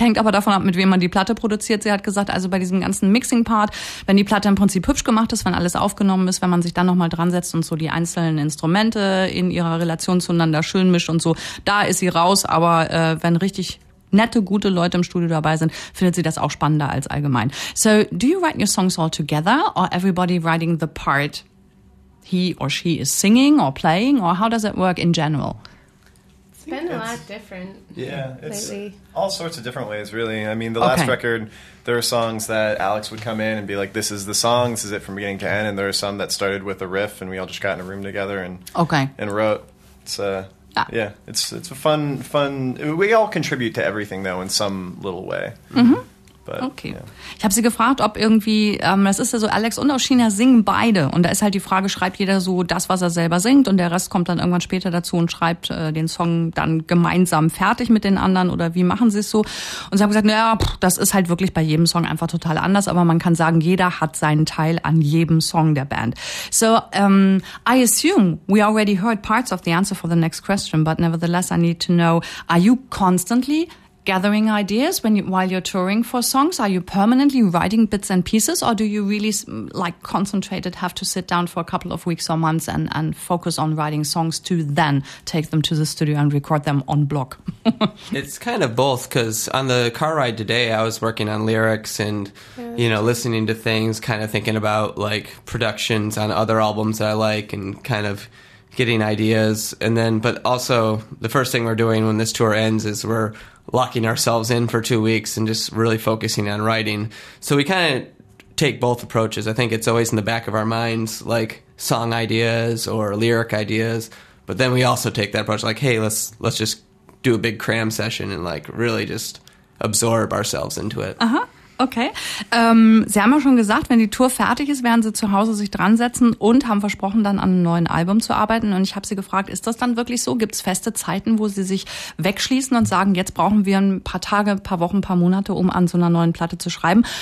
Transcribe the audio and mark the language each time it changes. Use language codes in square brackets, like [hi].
[de] Hängt aber davon ab, mit wem man die Platte produziert. Sie hat gesagt, also bei diesem ganzen Mixing-Part, wenn die Platte im Prinzip hübsch gemacht ist, wenn alles aufgenommen ist, wenn man sich dann nochmal dran setzt und so die einzelnen Instrumente in ihrer Relation zueinander schön mischt und so, da ist sie raus. Aber wenn richtig nette, gute Leute im Studio dabei sind, findet sie das auch spannender als allgemein. [en] So, do you write your songs all together or everybody writing the part he or she is singing or playing or how does it work in general? It's been a lot different lately. All sorts of different ways, really. I mean, the last record, there are songs that Alex would come in and be like, this is the song, this is it from beginning to end. And there are some that started with a riff and we all just got in a room together and wrote. It's a fun. We all contribute to everything, though, in some little way. Mm-hmm. [de] Ich habe sie gefragt, ob irgendwie, das ist ja so, Alex und auch Sheena singen beide. Und da ist halt die Frage, schreibt jeder so das, was er selber singt und der Rest kommt dann irgendwann später dazu und schreibt den Song dann gemeinsam fertig mit den anderen oder wie machen sie es so? Und sie haben gesagt, das ist halt wirklich bei jedem Song einfach total anders, aber man kann sagen, jeder hat seinen Teil an jedem Song der Band. [en] So, I assume we already heard parts of the answer for the next question, but nevertheless I need to know, are you constantly gathering ideas while you're touring for songs? Are you permanently writing bits and pieces or do you really like concentrated have to sit down for a couple of weeks or months and focus on writing songs to then take them to the studio and record them on block? It's kind of both because on the car ride today I was working on lyrics and listening to things, kind of thinking about like productions on other albums that I like and kind of getting ideas. And then, but also the first thing we're doing when this tour ends is we're locking ourselves in for 2 weeks and just really focusing on writing. So we kind of take both approaches. I think it's always in the back of our minds, like song ideas or lyric ideas. But then we also take that approach like, hey, let's just do a big cram session and like really just absorb ourselves into it. Uh-huh. Okay. [de] Sie haben ja schon gesagt, wenn die Tour fertig ist, werden Sie zu Hause sich dran setzen und haben versprochen, dann an einem neuen Album zu arbeiten. Und ich habe Sie gefragt, ist das dann wirklich so? Gibt es feste Zeiten, wo Sie sich wegschließen und sagen, jetzt brauchen wir ein paar Tage, ein paar Wochen, ein paar Monate, um an so einer neuen Platte zu schreiben?